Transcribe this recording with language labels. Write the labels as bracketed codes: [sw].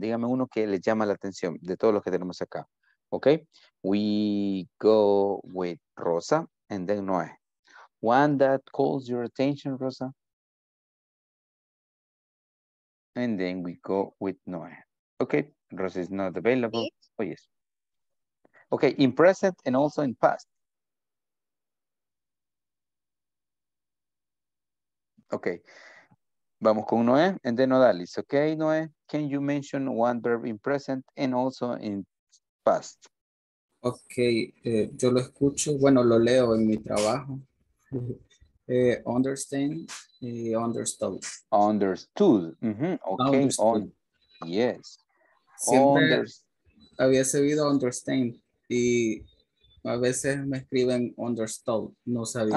[es] Dígame uno que le llama la atención de todos los que tenemos acá. [en] Okay, we go with Rosa and then Noé. One that calls your attention, Rosa. And then we go with Noé. Okay, Rosa is not available. Yes. Oh, yes. Okay, in present and also in past. [es] Okay, vamos con Noé [en] and then [es] Odalis. [en] Okay, Noé, can you mention one verb in present and also in past? [es] Okay, yo lo escucho, bueno, lo leo en mi trabajo. [en] Understand, understood. Understood, mm-hmm. Okay. Understood. Yes. [es] Siempre había sabido understand y a veces me escriben understood, no sabía.